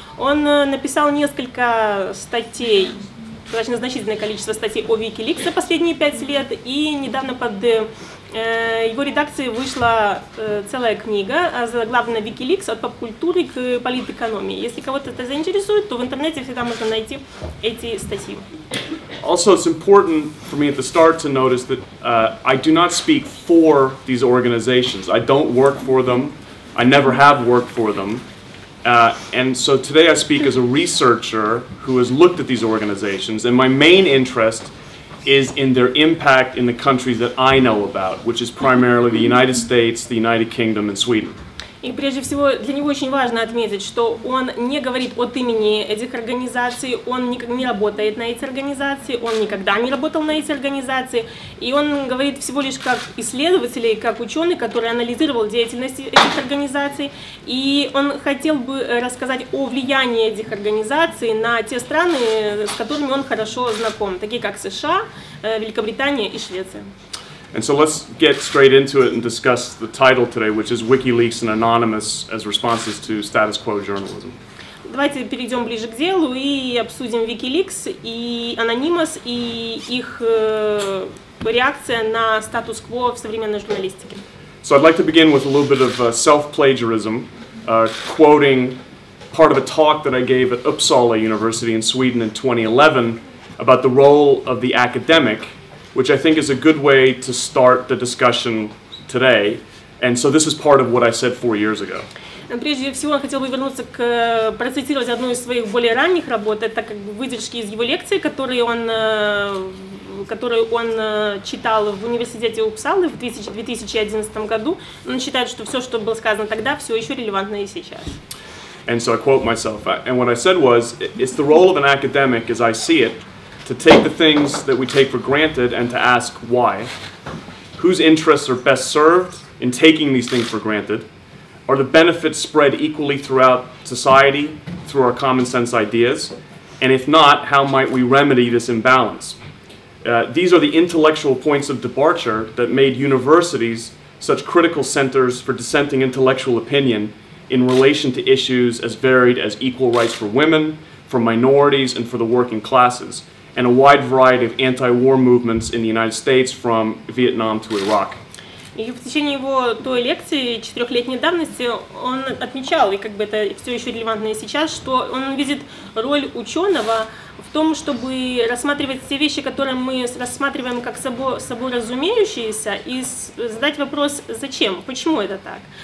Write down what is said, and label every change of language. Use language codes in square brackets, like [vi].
[ru] Он написал несколько статей, достаточно значительное количество статей о WikiLeaks за последние 5 лет, и недавно под его редакцией вышла целая книга, заглавлена WikiLeaks «От поп-культуры к политэкономии». Если кого-то это заинтересует, то в интернете всегда можно найти эти статьи. [en] Also, it's important for me at the start to notice that I do not speak for these organizations. I don't work for them. I never have worked for them. And so today I speak as a researcher who has looked at these organizations, and my main interest is in their impact in the countries that I know about, which is primarily the United States, the United Kingdom, and Sweden. [ru] И прежде всего для него очень важно отметить, что он не говорит от имени этих организаций, он никогда не работает на эти организации, он никогда не работал на эти организации, и он говорит всего лишь как исследователь, как ученый, который анализировал деятельность этих организаций, и он хотел бы рассказать о влиянии этих организаций на те страны, с которыми он хорошо знаком, такие как США, Великобритания и Швеция. [en] And so let's get straight into it and discuss the title today, which is WikiLeaks and Anonymous as Responses to Status Quo Journalism. [ru] Давайте перейдем ближе к делу и обсудим WikiLeaks и Anonymous и их реакция на статус-кво в современной журналистике. [en] So I'd like to begin with a little bit of self-plagiarism, quoting part of a talk that I gave at Uppsala University in Sweden in 2011 about the role of the academic, which I think is a good way to start the discussion today. And so this is part of what I said 4 years ago. [ru] Прежде всего, я хотел бы вернуться к процитировать одну из своих более ранних работ. Это как выдержки из его лекции, которую он читал в университете Уппсалы в 2011 году. Он считает, что все, что было сказано тогда, все еще релевантно и сейчас. [en] And so I quote myself. And what I said was, it's the role of an academic, as I see it, to take the things that we take for granted and to ask why. Whose interests are best served in taking these things for granted? Are the benefits spread equally throughout society through our common sense ideas? And if not, how might we remedy this imbalance? These are the intellectual points of departure that made universities such critical centers for dissenting intellectual opinion in relation to issues as varied as equal rights for women, for minorities, and for the working classes, and a wide variety of anti-war movements in the United States from Vietnam to Iraq. [ru] И в течение его той лекции четырехлетней давности он отмечал, и как бы это все еще релевантно и сейчас, что он видит роль ученого в том, чтобы рассматривать все вещи, которые мы рассматриваем как собой разумеющиеся, и задать вопрос, зачем, почему это так.